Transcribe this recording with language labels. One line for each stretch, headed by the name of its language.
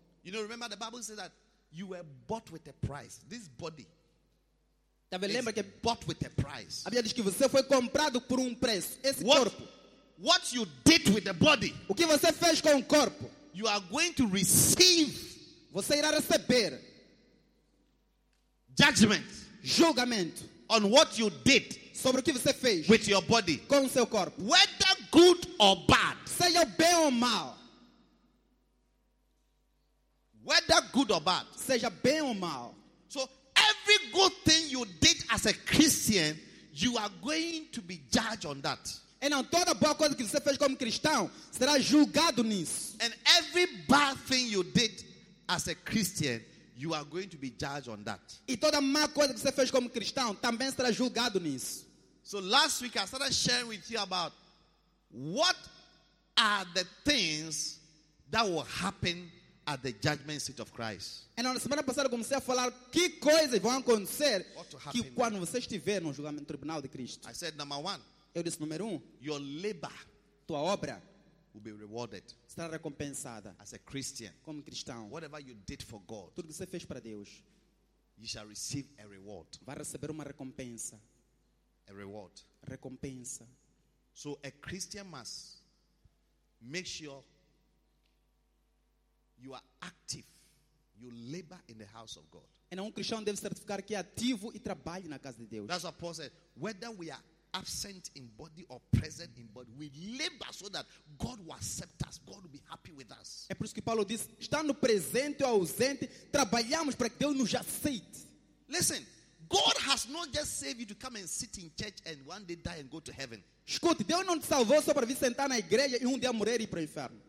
English: You know, remember the Bible says that you were bought with a price. This body.
Portuguese: Lembra que
English: bought with a price.
Portuguese: A Bíblia diz que você foi comprado por preço. Esse
English: what,
Portuguese: corpo.
English: What you did with the body.
Portuguese: O que você fez com o corpo.
English: You are going to receive.
Portuguese: Você irá receber.
English: Judgment.
Portuguese: Julgamento.
English: On what you did.
Portuguese: Sobre o que você fez.
English: With your body.
Portuguese: Com o seu corpo.
English: Whether good or bad.
Portuguese: Seja bem ou mal.
English: Whether good or bad.
Portuguese: Seja bem ou mal.
English: So every good thing you did as a Christian, you are going to be judged on that.
Portuguese: Então toda boa coisa que você fez como cristão será julgado nisso.
English: And every bad thing you did as a Christian, you are going to be judged on that.
Portuguese: E toda má coisa que você fez como cristão também será julgado nisso.
English: So last week I started sharing with you about what are the things that will happen at the judgment seat of Christ.
Portuguese: E na semana passada comecei a falar que coisas vão acontecer que quando você estiver no julgamento tribunal de Cristo.
English: I said number one.
Portuguese: Eu disse, número
English: your labor,
Portuguese: tua obra,
English: will be rewarded.
Portuguese: Será recompensada.
English: As a Christian,
Portuguese: como cristão,
English: whatever you did for God,
Portuguese: tudo que você fez para Deus,
English: you shall receive a reward.
Portuguese: Vai receber uma recompensa.
English: A reward.
Portuguese: Recompensa.
English: So a Christian must make sure you are active, you labor in the house of God.
Portuguese: E um cristão deve certificar que é ativo e trabalha na casa de Deus.
English: That's what Paul said. Whether we are absent in body or present in body, we labor so that God will accept us. God will be happy with us.
Portuguese: É por isso que Paulo diz, estando presente ou ausente, trabalhamos para que Deus nos aceite.
English: Listen, God has not just saved you to come and sit in church and one day die and go to heaven.
Portuguese: Escute, Deus não te salvou só para vir sentar na igreja e dia morrer e ir para o inferno.